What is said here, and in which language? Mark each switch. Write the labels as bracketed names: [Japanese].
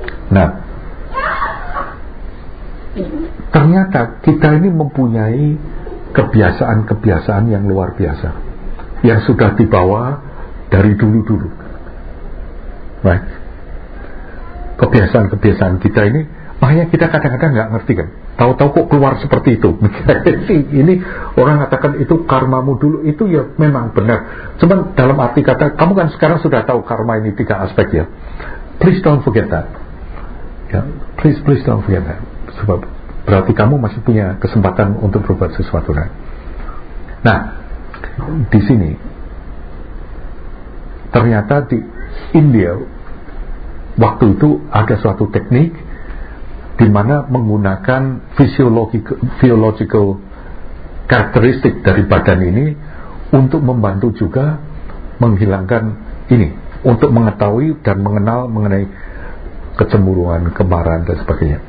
[Indonesian] Nah, ternyata kita ini mempunyai kebiasaan-kebiasaan yang luar biasa yang sudah dibawa dari dulu-dulu. [English] Right. [Indonesian] kebiasaan-kebiasaan kita ini, makanya kita kadang-kadang nggak ngerti kan, tahu-tahu kok keluar seperti itu. Ini orang katakan itu karmamu dulu, itu ya memang benar. Cuman dalam arti kata, kamu kan sekarang sudah tahu karma ini tiga aspek ya. [English] Please don't forget that. [Indonesian] Ya, [English] please please don't forget that. [Indonesian] Sebab berarti kamu masih punya kesempatan untuk berbuat sesuatu kan. Nah, di sini ternyata di India waktu itu ada suatu teknik di mana menggunakan physiological karakteristik dari badan ini untuk membantu juga menghilangkan ini, untuk mengetahui dan mengenal mengenai kecemburuan, kemarahan dan sebagainya.